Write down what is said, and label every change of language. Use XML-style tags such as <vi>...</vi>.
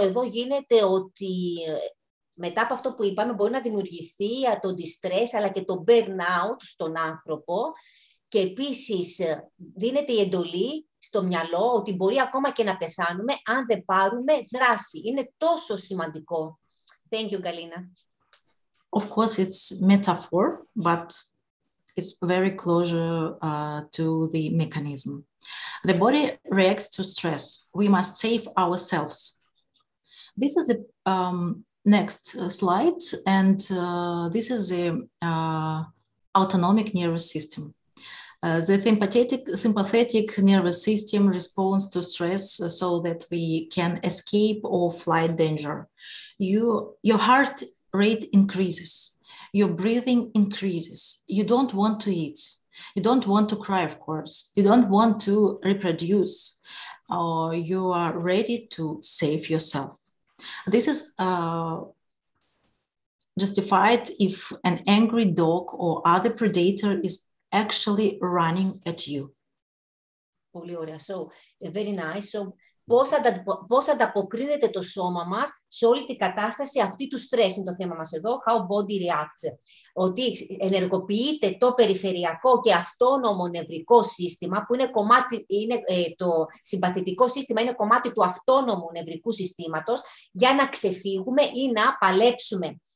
<el>Εδώ γίνεται ότι μετά από αυτό που είπαμε μπορεί να δημιουργηθεί το distress αλλά και το burnout στον άνθρωπο και επίσης δίνεται η εντολή στο μυαλό ότι μπορεί ακόμα και να πεθάνουμε αν δεν πάρουμε δράση. Είναι τόσο σημαντικό.</el> <en>Thank you, Galina. Of course, it's metaphor, but it's very close to the mechanism. The body reacts to stress. We must save ourselves. This is the next slide, and this is the autonomic nervous system. The sympathetic nervous system responds to stress so that we can escape or fly danger. Your heart rate increases, your breathing increases, you don't want to eat, you don't want to cry, of course, you don't want to reproduce, or you are ready to save yourself. This is justified if an angry dog or other predator is actually running at you.</en> <el>Πολύ ωραία.</el> <en>So, very nice.</en> <el>So, πώς ανταποκρίνεται το σώμα μας σε όλη την κατάσταση αυτή του stress, είναι το θέμα μας εδώ,</el> <en>how body reacts.</en> <el>Ότι ενεργοποιείται το περιφερειακό και αυτόνομο νευρικό σύστημα, που είναι κομμάτι, είναι, το συμπαθητικό σύστημα είναι κομμάτι του αυτόνομου νευρικού συστήματος, για να ξεφύγουμε ή να παλέψουμε.</el>